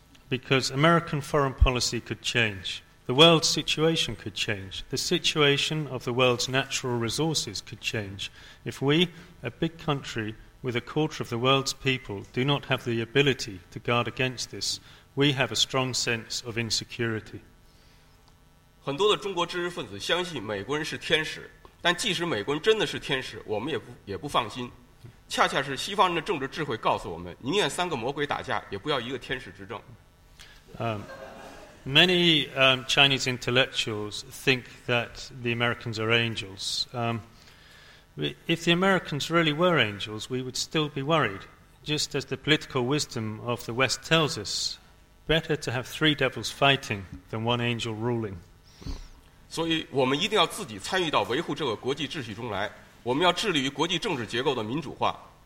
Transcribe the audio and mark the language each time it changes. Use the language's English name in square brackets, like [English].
[English] Because American foreign policy could change, the world situation could change, the situation of the world's natural resources could change. If we, a big country with a quarter of the world's people, do not have the ability to guard against this, we have a strong sense of insecurity. [Chinese] 很多的中国知识分子相信美国人是天使，但即使美国人真的是天使，我们也不放心。恰恰是西方人的政治智慧告诉我们，宁愿三个魔鬼打架，也不要一个天使执政。 [English] Many Chinese intellectuals think that the Americans are angels. If the Americans really were angels, we would still be worried. Just as the political wisdom of the West tells us, better to have three devils fighting than one angel ruling. [Chinese] 所以我们一定要自己参与到维护这个国际秩序中来。我们要致力于国际政治结构的民主化。